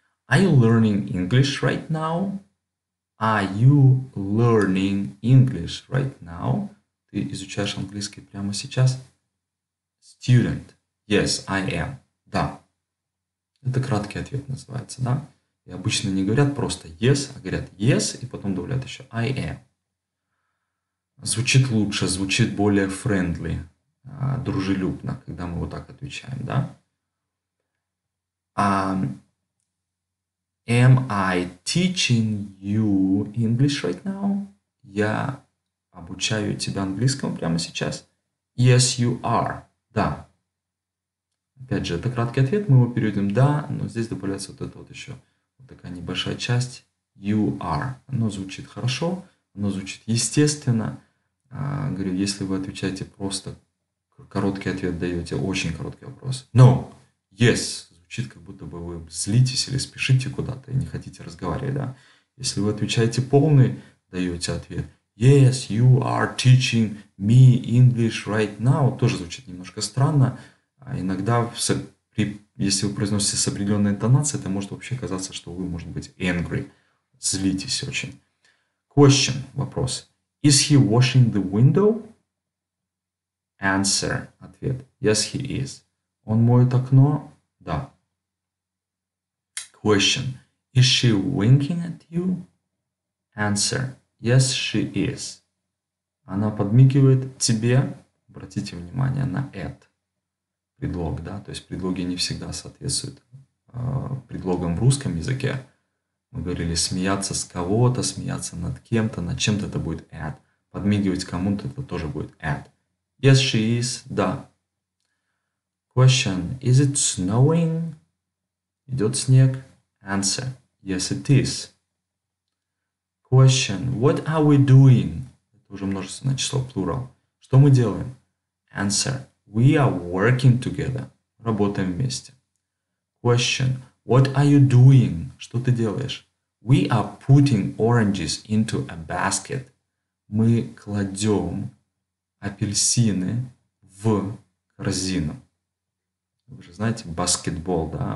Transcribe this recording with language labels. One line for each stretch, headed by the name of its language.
English: Are you learning English right now? Are you learning English right now?
Russian: Ты изучаешь английский прямо сейчас?
English: Student. Yes, I am.
Russian: Да. Это краткий ответ называется, да? И обычно не говорят просто yes, а говорят yes, и потом добавляют еще
English: I am.
Russian: Звучит лучше, звучит более friendly, дружелюбно, когда мы вот так отвечаем, да?
English: Am I teaching you English right now?
Russian: Я обучаю тебя английскому прямо сейчас.
English: Yes, you are.
Russian: Да. Опять же, это краткий ответ, мы его переводим «да», но здесь добавляется вот эта вот еще вот такая небольшая часть
English: «you are».
Russian: Оно звучит хорошо, оно звучит естественно. Говорю, если вы отвечаете просто, короткий ответ даете, очень короткий вопрос.
English: No, yes,
Russian: звучит, как будто бы вы злитесь или спешите куда-то и не хотите разговаривать, да. Если вы отвечаете полный, даете ответ
English: «yes, you are teaching me English right now»,
Russian: тоже звучит немножко странно. А иногда, если вы произносите с определенной интонацией, это может вообще казаться, что вы, может быть, angry, злитесь очень.
English: Question,
Russian: вопрос.
English: Is he washing the window? Answer,
Russian: ответ.
English: Yes, he is.
Russian: Он моет окно? Да.
English: Question. Is she winking at you? Answer. Yes, she is.
Russian: Она подмигивает тебе. Обратите внимание на at. Предлог, да, то есть предлоги не всегда соответствуют предлогам в русском языке. Мы говорили смеяться с кого-то, смеяться над кем-то, над чем-то это будет at. Подмигивать кому-то это тоже будет at.
English: Yes, she is,
Russian: да.
English: Question, is it snowing?
Russian: Идет снег?
English: Answer, yes, it is. Question, what are we doing?
Russian: Это уже множественное число, plural. Что мы делаем?
English: Answer. We are working together.
Russian: Работаем вместе.
English: Question. What are you doing?
Russian: Что ты делаешь?
English: We are putting oranges into a basket.
Russian: Мы кладем апельсины в корзину. Вы же знаете, баскетбол, да?